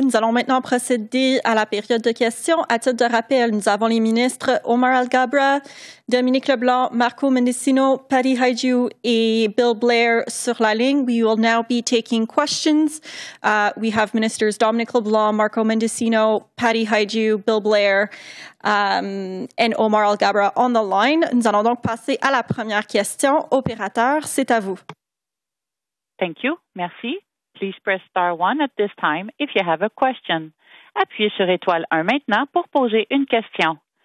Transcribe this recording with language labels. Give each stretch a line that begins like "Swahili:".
French: Nous allons maintenant procéder à la période de questions. À titre de rappel, nous avons les ministres Omar Alghabra, Dominic LeBlanc, Marco Mendicino, Patty Hajdu et Bill Blair sur la ligne.
English: We will now be taking questions. We have ministers Dominic LeBlanc, Marco Mendicino, Patty Hajdu, Bill Blair and Omar Alghabra on the line.
French: Nous allons donc passer à la première question. Opérateur, c'est à vous.
English: Thank you,
French: merci.
English: Please press star 1 at this time if you have a question.
French: Appuyez sur étoile 1 maintenant pour poser une question.